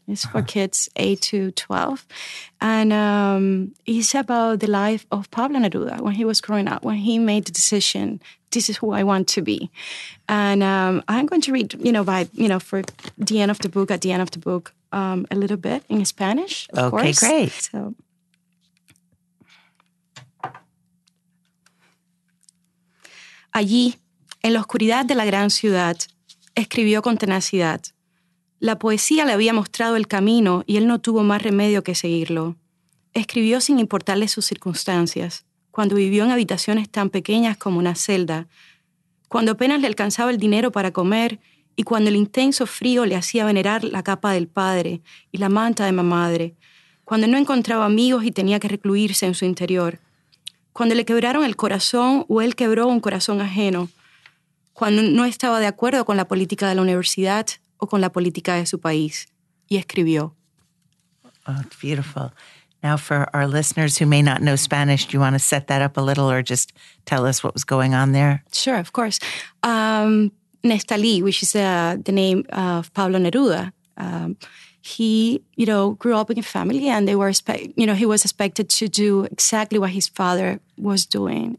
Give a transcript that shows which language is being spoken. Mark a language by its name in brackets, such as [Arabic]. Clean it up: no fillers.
[English] It's for kids 8 to 12. And it's about the life of Pablo Neruda when he was growing up, when he made the decision, this is who I want to be. And I'm going to read, you know, for the end of the book, a little bit in Spanish, of course. Okay, great. [Spanish] So, allí, en la oscuridad de la gran ciudad, escribió con tenacidad. La poesía le había mostrado el camino y él no tuvo más remedio que seguirlo. Escribió sin importarle sus circunstancias, cuando vivió en habitaciones tan pequeñas como una celda, cuando apenas le alcanzaba el dinero para comer y cuando el intenso frío le hacía venerar la capa del padre y la manta de mamadre, cuando no encontraba amigos y tenía que recluirse en su interior, cuando le quebraron el corazón o él quebró un corazón ajeno, cuando no estaba de acuerdo con la política de la universidad o con la política de su país, y escribió. [English] Oh, beautiful. Now, for our listeners who may not know Spanish, do you want to set that up a little or just tell us what was going on there? Sure, of course. Nestalí, which is the name of Pablo Neruda, he, you know, grew up in a family and they were, he was expected to do exactly what his father was doing.